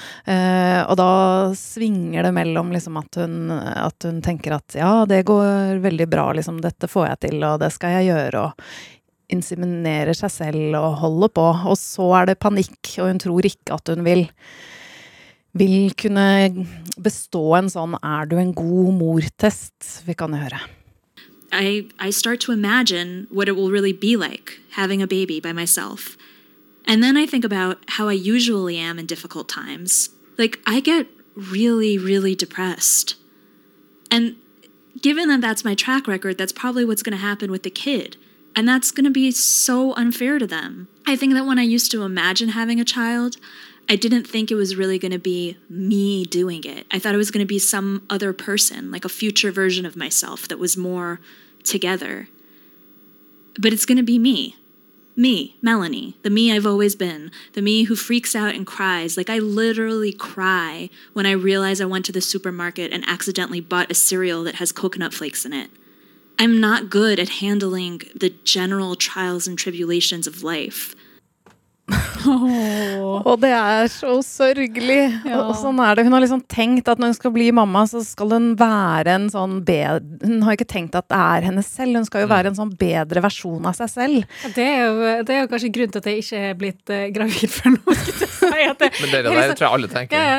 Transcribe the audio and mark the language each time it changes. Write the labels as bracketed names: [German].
[Norwegian] Og da svinger det mellom liksom at hun tenker at ja, det går veldig bra, liksom, dette får jeg til, og det skal jeg gjøre, og inseminerer seg selv og holder på. Og så er det panikk, og hun tror ikke at hun vil kunne bestå en sånn er du en god mor-test, vi kan høre. [English] I start to imagine what it will really be like having a baby by myself. And then I think about how I usually am in difficult times. Like, I get really, really depressed. And given that that's my track record, that's probably what's going to happen with the kid. And that's going to be so unfair to them. I think that when I used to imagine having a child, I didn't think it was really going to be me doing it. I thought it was going to be some other person, like a future version of myself that was more together. But it's going to be me. Me, Melanie, the me I've always been, the me who freaks out and cries. Like, I literally cry when I realize I went to the supermarket and accidentally bought a cereal that has coconut flakes in it. I'm not good at handling the general trials and tribulations of life. [Norwegian] Og det er så sørgelig, ja. Og sånn er det. Hun har liksom tenkt at når hun skal bli mamma, så skal hun være en sånn hun har ikke tenkt at det er henne selv. Hun skal jo være en sånn bedre versjon av seg selv. Det er jo kanskje grunnen til at jeg ikke er blitt gravid for noe. Men det er det, tror jeg alle tenker.